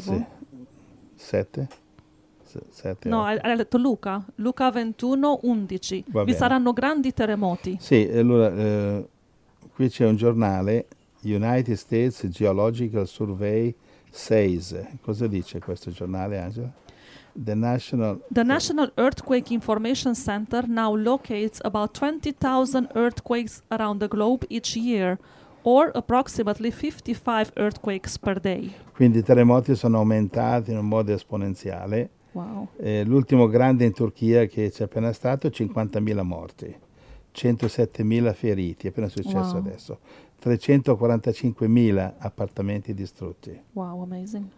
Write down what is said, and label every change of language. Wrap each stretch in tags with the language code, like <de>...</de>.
<it>Sì. 7? No, ha letto Luca, Luca 21, 11. Vi saranno grandi terremoti. Sì, allora, qui c'è un giornale, United States Geological Survey 6. Cosa dice questo giornale, Angela?</it> <en>The National Earthquake Information Center now locates about 20,000 earthquakes around the globe each year, or approximately 55 earthquakes per day.</en> <it>Quindi i terremoti sono aumentati in un modo esponenziale. Wow. L'ultimo grande in Turchia che c'è appena stato, 50.000 morti, 107.000 feriti, è appena successo, adesso, 345.000 appartamenti distrutti.</it> <en>Wow, amazing.</en>